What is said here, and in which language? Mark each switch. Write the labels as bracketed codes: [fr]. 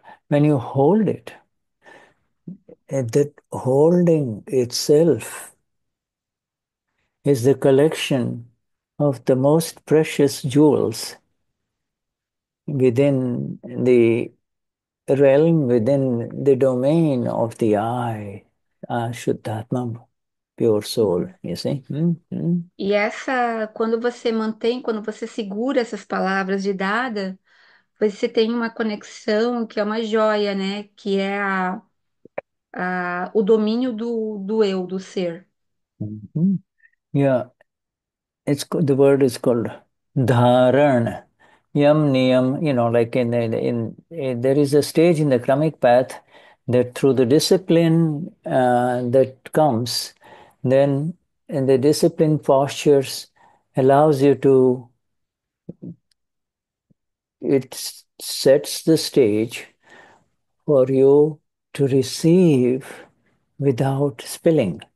[en] when you hold it, that holding itself is the collection of the most precious jewels within the realm, within the domain of the I, Shuddhatma, pure soul, you see? [pt] E essa, quando você mantém, quando você segura essas palavras de Dada, você tem uma conexão que é uma joia, né? Que é o domínio do eu, do ser. [en] It's called, the word is called dharan, yam niyam, you know, like in there is a stage in the karmic path that through the discipline that comes, then in the discipline postures allows you to, it sets the stage for you to receive without spilling.